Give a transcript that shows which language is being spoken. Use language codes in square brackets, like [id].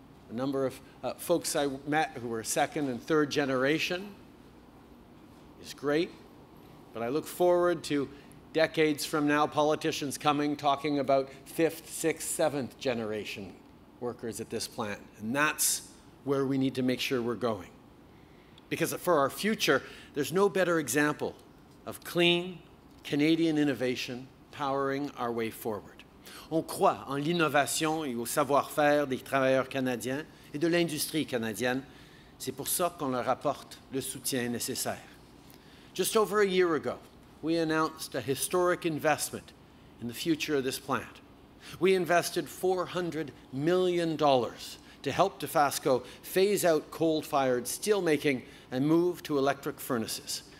[en] A number of folks I met who were second and third generation is great, but I look forward to decades from now, politicians coming, talking about fifth, sixth, seventh generation workers at this plant. And that's where we need to make sure we're going. Because for our future, there's no better example of clean Canadian innovation powering our way forward. [fr] On croit en l'innovation et au savoir-faire des travailleurs canadiens et de l'industrie canadienne. C'est pour ça qu'on leur apporte le soutien nécessaire. [en] Just over a year ago, we announced a historic investment in the future of this plant. We invested $400 million to help DeFasco phase out coal-fired steelmaking and move to electric furnaces.